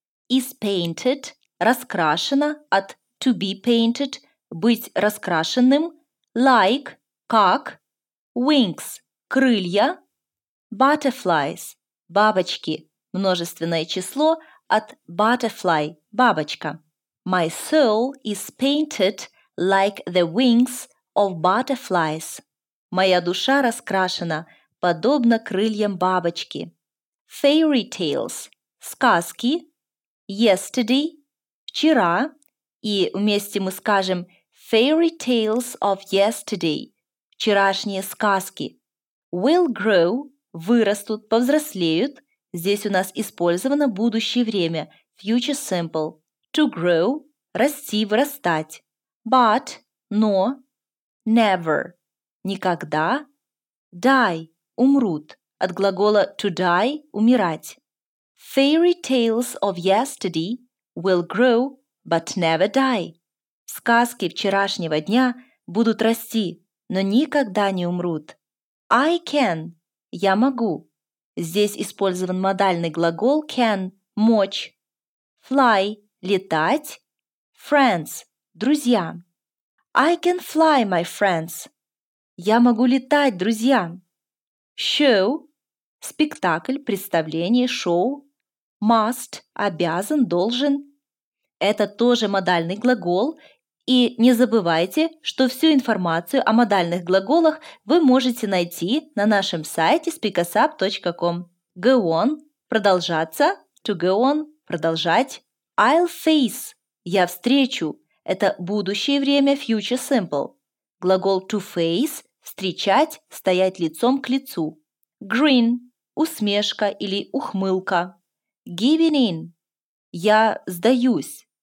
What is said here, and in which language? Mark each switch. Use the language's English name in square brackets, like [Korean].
[English] Is painted [Russian] – раскрашена от [English] to be painted [Russian] – быть раскрашенным. [English] Like [Russian] – как. [English] Wings [Russian] – крылья. [English] Butterflies [Russian] – бабочки. Множественное число от [English] butterfly [Russian] – бабочка. [English] My soul is painted like the wings of butterflies. [Russian] Моя душа раскрашена – подобно крыльям бабочки. [English] Fairy tales [Russian] – сказки. [English] Yesterday [Russian] – вчера. И вместе мы скажем [English] fairy tales of yesterday [Russian] – вчерашние сказки. [English] Will grow [Russian] – вырастут, повзрослеют. Здесь у нас использовано будущее время – [English] future simple. To grow [Russian] – расти, вырастать. [English] But [Russian] – но. [English] Never [Russian] – никогда. [English] Die [Russian] – умрут, от глагола [English] to die [Russian] – умирать. [English] Fairy tales of yesterday will grow, but never die. [Russian] Сказки вчерашнего дня будут расти, но никогда не умрут. [English] I can [Russian] – я могу. Здесь использован модальный глагол can – мочь. [English] Fly [Russian] – летать. [English] Friends [Russian] – друзья. [English] I can fly, my friends. [Russian] Я могу летать, друзья. [English] Show [Russian] – спектакль, представление, шоу. [English] Must [Russian] – обязан, должен. Это тоже модальный глагол. И не забывайте, что всю информацию о модальных глаголах вы можете найти на нашем сайте speakasap.com. [English] Go on [Russian] – продолжаться. [English] To go on [Russian] – продолжать. [English] I'll face [Russian] – я встречу. Это будущее время [English] future simple. [Russian] Глагол [English] to face [Russian] – встречать, стоять лицом к лицу. [English] Grin [Russian] – усмешка или ухмылка. [English] Giving in [Russian] – я сдаюсь.